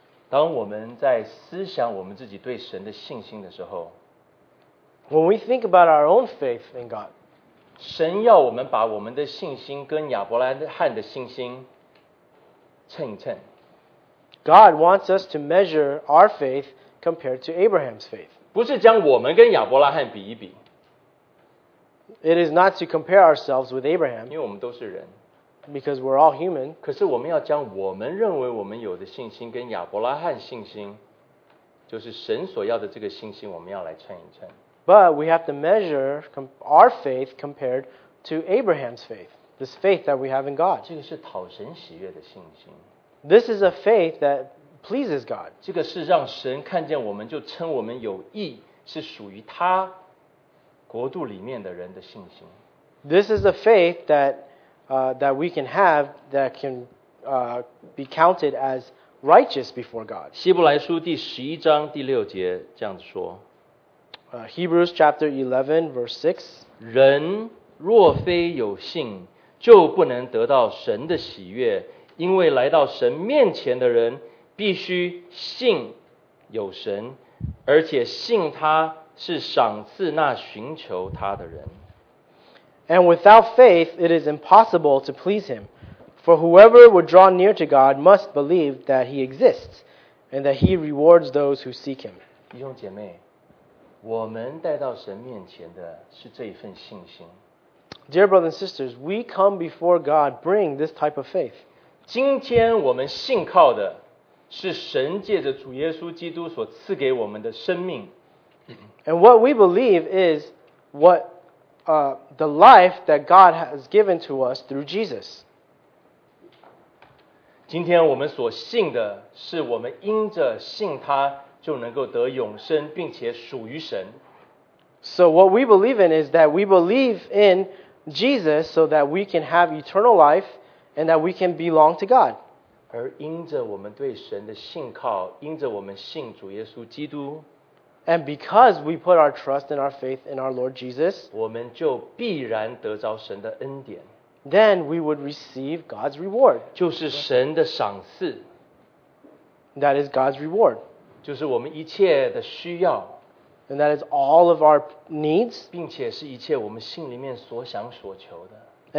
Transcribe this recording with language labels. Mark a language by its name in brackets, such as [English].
[Chinese] 当我们在思想我们自己对神的信心的时候， [English] When we think about our own faith in God, [Chinese] 神要我们把我们的信心跟亚伯拉罕的信心称一称。 [English] God wants us to measure our faith compared to Abraham's faith. [Chinese] 不是将我们跟亚伯拉罕比一比。 [English] It is not to compare ourselves with Abraham. [Chinese] 因为我们都是人。 [English] Because we're all human. [Chinese] 可是我们要将我们认为我们有的信心跟亚伯拉罕信心，就是神所要的这个信心，我们要来称一称。 [English] But we have to measure our faith compared to Abraham's faith, this faith that we have in God. [Chinese] 这个是讨神喜悦的信心。 [English] This is a faith that pleases God. [Chinese] 这个是让神看见我们就称我们有义，是属于他国度里面的人的信心。 [English] This is a faith that, that we can have that can, be counted as righteous before God. [Chinese] 希伯来书第十一章第六节这样子说。 [English] Hebrews chapter 11, verse 6. [Chinese] 人若非有信，就不能得到神的喜悦，因为来到神面前的人必须信有神，而且信他是赏赐那寻求他的人。 [English] And without faith, it is impossible to please him. For whoever would draw near to God must believe that he exists, and that he rewards those who seek him. [Chinese] 弟兄姐妹，我们带到神面前的是这一份信心。 [English] Dear brothers and sisters, we come before God bring this type of faith. [Chinese] 今天我们信靠的是神借着主耶稣基督所赐给我们的生命。 [English] And what we believe is what, the life that God has given to us through Jesus. [Chinese] 今天我们所信的是我们因着信他就能够得永生，并且属于神。 [English] So what we believe in is that we believe in Jesus so that we can have eternal life and that we can belong to God. [Chinese] 而因着我们对神的信靠，因着我们信主耶稣基督， [English] And because we put our trust and our faith in our Lord Jesus, [Chinese] 我们就必然得着神的恩典。 [English] Then we would receive God's reward. [Chinese] 就是神的赏赐。 [English] That is God's reward. [Chinese] 就是我们一切的需要 [English] ，and that is all of our needs， [Chinese] 并且是一切我们心里面所想所求的